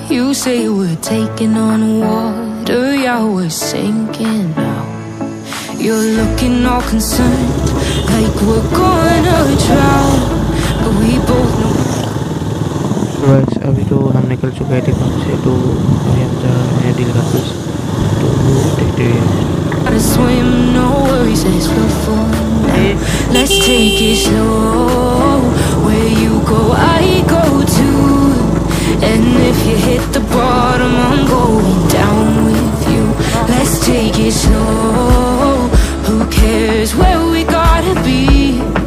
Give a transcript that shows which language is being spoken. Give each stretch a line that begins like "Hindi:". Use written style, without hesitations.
English: Say we're taking on water, yeah, we're sinking now. You're looking all concerned, like we're gonna drown, but we both know.
Hindi: Guys, अभी तो हम निकल चुके हैं टीपाम से, तो अभी हम जा रहे हैं दिल का कुछ, तो देखते हैं।
English: Gotta swim, no worries, it's for fun. Let's take it slow. Where you go, I go too. And if you hit the bottom, I'm going down with you. Let's take it slow. Who cares where we gotta be?